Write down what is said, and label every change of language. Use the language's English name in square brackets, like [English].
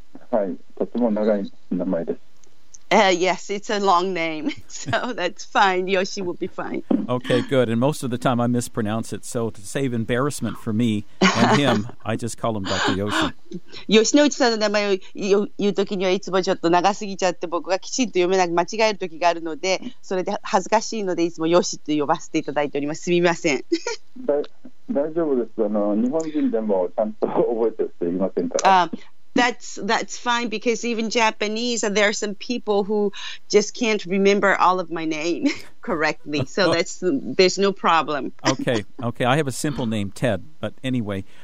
[Japanese] はい、とても長い名前です。 [English] Yes, it's a long name, so that's fine. Yoshi will be fine. Okay, good. And most of the time I mispronounce it, so to save embarrassment for me and him, I just call him Dr. Yoshi. [Japanese] Yoshinoichi さんの名前を言うときにはいつもちょっと長すぎちゃって僕がきちんと読めなく間違えるときがあるのでそれで恥ずかしいのでいつもヨシと呼ばせていただいております。すみません。大丈夫です。日本人でもちゃんと覚えてる人いませんから。 [English] That's fine, because even Japanese, there are some people who just can't remember all of my name correctly. So that's, there's no problem. Okay, okay. I have a simple name, Ted, but anyway.